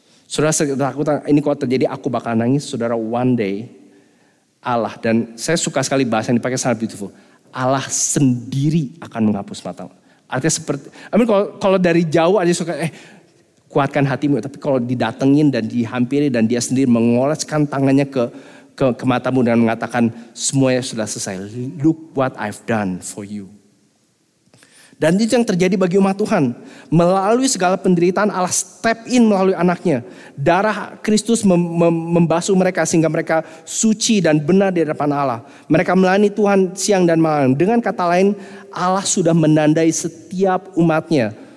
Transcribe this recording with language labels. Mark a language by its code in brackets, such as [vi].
[id] Saudara takut ini kalau terjadi aku bakal nangis? Saudara [en] one day [id] Allah dan saya suka sekali bahasa yang dipakai sangat beautiful. Allah sendiri akan menghapus mata. Artinya seperti, kalau dari jauh aja suka kuatkan hatimu. Tapi kalau didatengin dan dihampiri dan dia sendiri mengoleskan tangannya ke matamu dan mengatakan semuanya sudah selesai. [en] Look what I've done for you. [id] Dan itu yang terjadi bagi umat Tuhan. Melalui segala penderitaan Allah [en] step in [id] melalui anak-Nya. Darah Kristus membasuh mereka sehingga mereka suci dan benar di hadapan Allah. Mereka melayani Tuhan siang dan malam. Dengan kata lain Allah sudah menandai setiap umat-Nya.